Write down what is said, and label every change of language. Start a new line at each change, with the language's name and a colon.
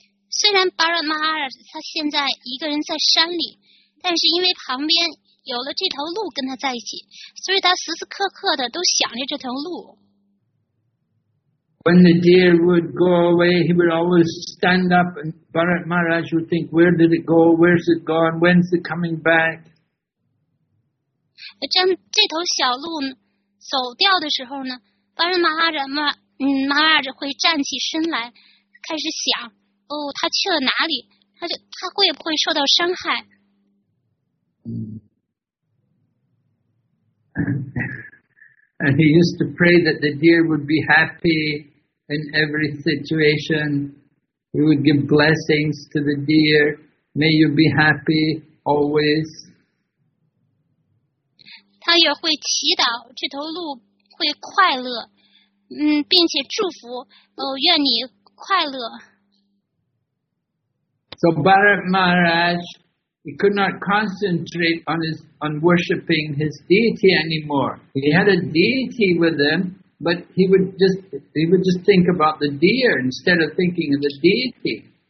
Chinese: 虽然巴拉马哈拉他现在一个人在山里，但是因为旁边有了这头鹿跟他在一起，所以他时时刻刻的都想着这头鹿。
English: When the deer would go away, he would always stand up, and Bharat Maharaj would think, "Where did it go? Where's it gone? When's it coming back?"
Chinese: 这头小鹿走掉的时候呢，巴拉马哈拉马哈拉会站起身来，开始想。哦，他去了哪里？他会不会受到伤害？
English: And he used to pray that the deer would be happy in every situation. He would give blessings to the deer. May you be happy always.
Chinese: 他也会祈祷这头鹿会快乐，并且祝福，愿你快乐。
English: So Bharat Maharaj, he could not concentrate on worshiping his deity anymore. He had a deity with him, but he would just think about the deer instead of thinking of the deity.